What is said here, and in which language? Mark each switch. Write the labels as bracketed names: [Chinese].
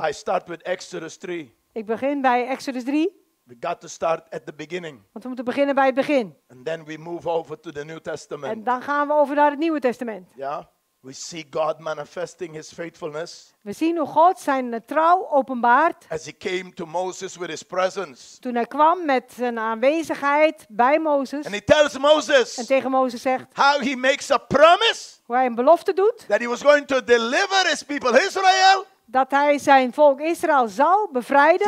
[English] I start with Exodus 3. [Dutch] Ik begin bij Exodus 3. [English] We got to start at the beginning. [Dutch] Want we moeten beginnen bij het begin. [English] And then we move over to the New Testament. [Dutch] En dan gaan we over naar het Nieuwe Testament. [English] Ja. Yeah? We see God manifesting his faithfulness. [Dutch] We zien hoe God zijn trouw openbaart. [English] As he came to Moses with his presence. [Dutch] Toen hij kwam met zijn aanwezigheid bij Mozes. [English] And he tells Moses. [Dutch] En tegen Mozes zegt. [English] How he makes a promise. [Dutch] Hoe hij een belofte doet. [English] That he was going to deliver his people Israel. [Dutch] Dat hij zijn volk Israël zal bevrijden.